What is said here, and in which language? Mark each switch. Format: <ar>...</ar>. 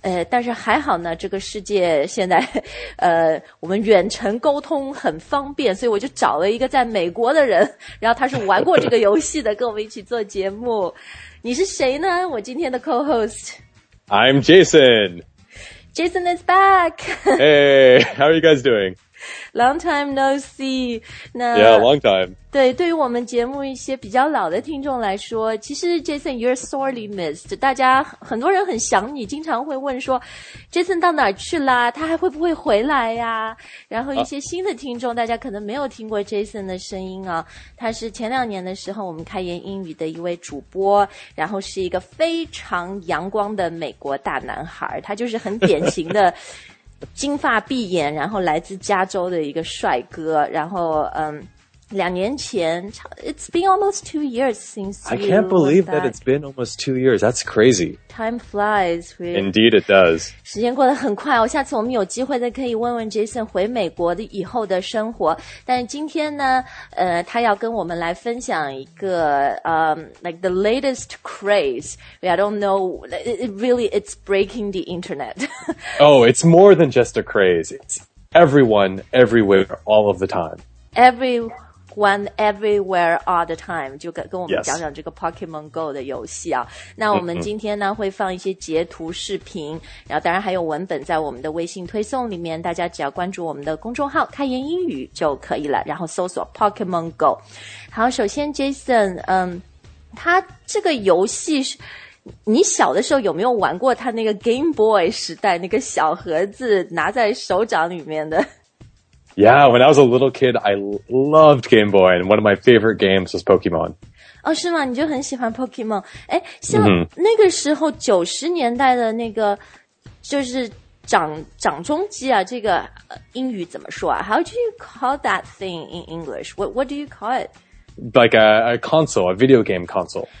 <zh>但是还好呢，这个世界现在我们远程沟通很方便，所以我就找了一个在美国的人，然后他是玩过这个游戏的跟我们一起做节目。你是谁呢？我今天的 co-host。</zh> <en>I'm Jason. Jason is back. Hey, how are you guys doing? Long time no see. Yeah, long time.</en> <zh>对，对于我们节目一些比较老的听众来说，其实 Jason,</zh> <en>you're sorely missed.</en> <zh>大家很多人很想你，经常会问说 Jason 到哪儿去啦，他还会不会回来呀？然后一些新的听众，大家可能没有听过 Jason 的声音啊。他是前两年的时候我们开言英语的一位主播，然后是一个非常阳光的美国大男孩，他就是很典型的金发碧眼，然后来自加州的一个帅哥。然后两年前</zh> <en>It's been almost 2 years since I can't believe that it's been almost 2 years. That's crazy. Time flies, really. Indeed it does.</en> <zh>时间过得很快，下次我们有机会再可以问问 Jason 回美国的以后的生活。但今天呢他要跟我们来分享一个</zh> <en>like the latest craze. I don't know, it's breaking the internet. Oh, it's more than just a craze. It's everyone, everywhere, all of the time. Everyone, everywhere, all the time.</en> <zh>就跟我们讲讲这个 Pokemon Go 的游戏啊。那我们今天呢会放一些截图视频，然后当然还有文本在我们的微信推送里面，大家只要关注我们的公众号开言英语就可以了，然后搜索 Pokemon Go。好，首先 Jason, 他这个游戏是你小的时候有没有玩过，他那个 Game Boy 时代那个小盒子拿在手掌里面的？</zh> <en>Yeah, when I was a little kid, I loved Game Boy, and one of my favorite games was Pokemon.</en> <zh>哦，是吗？你就很喜欢 Pokemon？ 哎，像那个时候九十年代的那个，就是掌中机啊，这个英语怎么说啊 ？</zh> <en>How do you call that thing in English? What do you call it? Like a console, a video game console.</en>